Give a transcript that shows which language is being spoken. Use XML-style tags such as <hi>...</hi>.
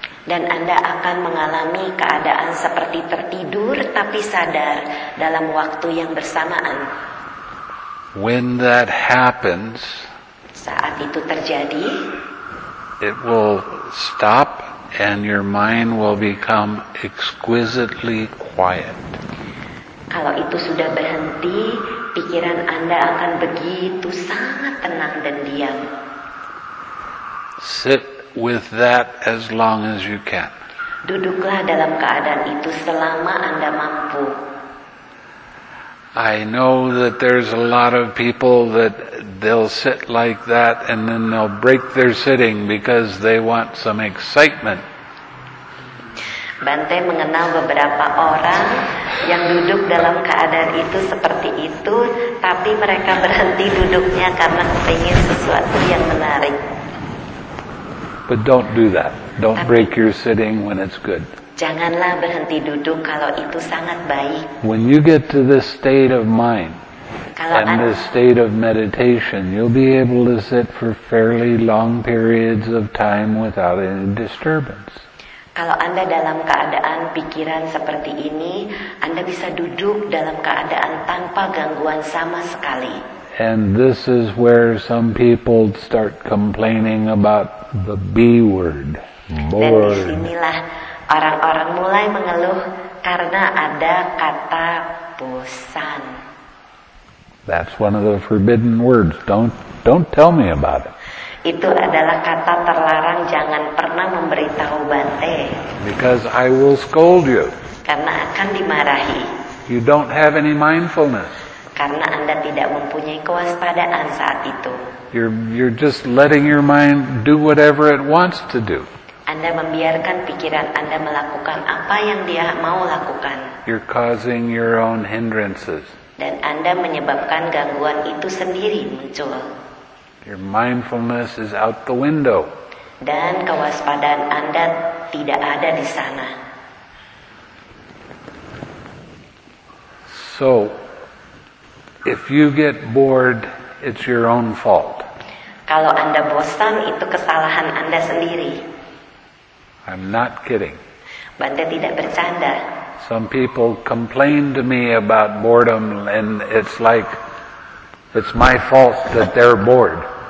<id>Dan Anda akan mengalami keadaan seperti tertidur tapi sadar dalam waktu yang bersamaan.</id> <en>When that happens,</en> <id>saat itu terjadi,</id> <en>it will stop and your mind will become exquisitely quiet.</en> <id>Kalau itu sudah berhenti, pikiran Anda akan begitu sangat tenang dan diam.</id> <en>Sit with that as long as you can.</en> <id>Duduklah dalam keadaan itu selama Anda mampu.</id> <en>I know that there's a lot of people that they'll sit like that and then they'll break their sitting because they want some excitement.</en> <id>Bante mengenal beberapa orang yang duduk dalam keadaan itu seperti itu, tapi mereka berhenti duduknya karena ingin sesuatu yang menarik.</id> <en>But don't do that. Don't break your sitting when it's good.</en> <id>Janganlah berhenti duduk kalau itu sangat baik.</id> <en>When you get to this state of mind and this state of meditation, you'll be able to sit for fairly long periods of time without any disturbance.</en> <id>Kalau Anda dalam keadaan pikiran seperti ini, Anda bisa duduk dalam keadaan tanpa gangguan sama sekali.</id> <en>And this is where some people start complaining about the B word.</en> <id>Bored. Dan disinilah orang-orang mulai mengeluh karena ada kata bosan.</id> <en>That's one of the forbidden words. Don't tell me about it.</en> <id>Itu adalah kata terlarang, jangan pernah memberitahu Bante.</id> <en>Because I will scold you.</en> <id>Karena akan dimarahi.</id> <en>You don't have any mindfulness.</en> <id>Karena Anda tidak mempunyai kewaspadaan saat itu.</id> <en>You're just letting your mind do whatever it wants to do.</en> <id>Anda membiarkan pikiran Anda melakukan apa yang dia mau lakukan.</id> <en>You're causing your own hindrances.</en> <id>Dan Anda menyebabkan gangguan itu sendiri muncul.</id> <en>Your mindfulness is out the window.</en> <id>Dan kewaspadaan Anda tidak ada di sana.</id> <en>So, if you get bored, it's your own fault.</en> <id>Kalau Anda bosan, itu kesalahan Anda sendiri.</id> <en>I'm not kidding.</en> <id>Bante tidak bercanda.</id> <en>Some people complain to me about boredom, and it's like it's my fault that they're bored.</en>